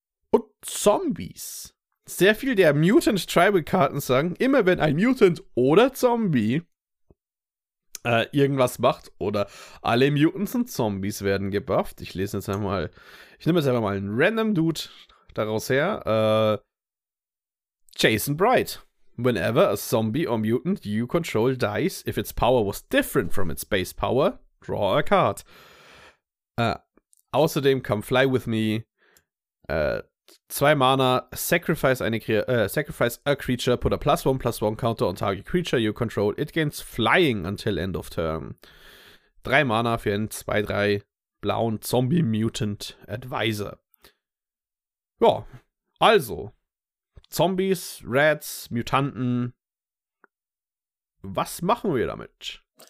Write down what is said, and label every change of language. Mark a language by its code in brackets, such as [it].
[de] Und Zombies. Sehr viel der Mutant Tribal Karten sagen, immer wenn ein Mutant oder Zombie irgendwas macht oder alle Mutants und Zombies werden gebufft. Ich nehme jetzt einfach mal einen random Dude daraus her, Jason Bright. [en] Whenever a zombie or mutant you control dies, if its power was different from its base power, draw a card. [de] Außerdem come fly with me. Zwei Mana, [en] sacrifice a creature, put a +1/+1 counter on target creature you control, it gains flying until end of turn. [de] Drei Mana für einen 2-3 blauen Zombie Mutant Advisor. Ja, also, Zombies, Rats, Mutanten, was machen wir damit?